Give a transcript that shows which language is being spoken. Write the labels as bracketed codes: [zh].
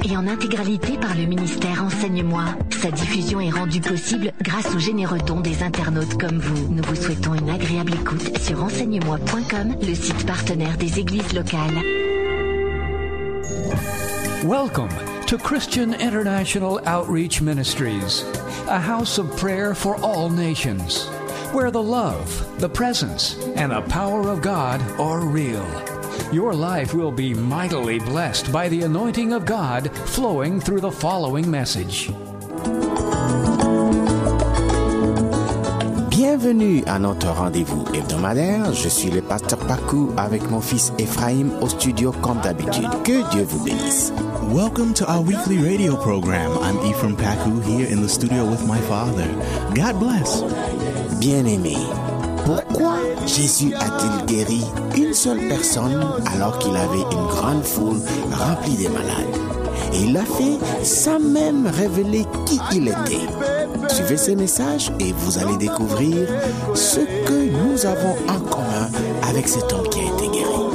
[fr] Et en intégralité par le ministère Enseigne-moi. Sa diffusion est rendue possible grâce aux généreux dons des internautes comme vous. Nous vous souhaitons une agréable écoute sur enseignemoi.com, le site partenaire des églises locales. [en] Welcome to Christian International Outreach Ministries, a house of prayer for all nations, where the love, the presence, and the power of God are real. Your life will be mightily blessed by the anointing of God flowing through the following message. [fr] Bienvenue à notre rendez-vous hebdomadaire. Je suis le pasteur Pakou avec mon fils Ephraim au studio comme d'habitude. Que Dieu vous bénisse. [en] Welcome to our weekly radio program. I'm Ephraim Pakou here in the studio with my father. God bless. [fr] Bien-aimés, pourquoi Jésus a-t-il guéri une seule personne alors qu'il avait une grande foule remplie de malades? Et il a fait sans même révéler qui il était. Suivez ces messages et vous allez découvrir ce que nous avons en commun avec cet homme qui a été guéri.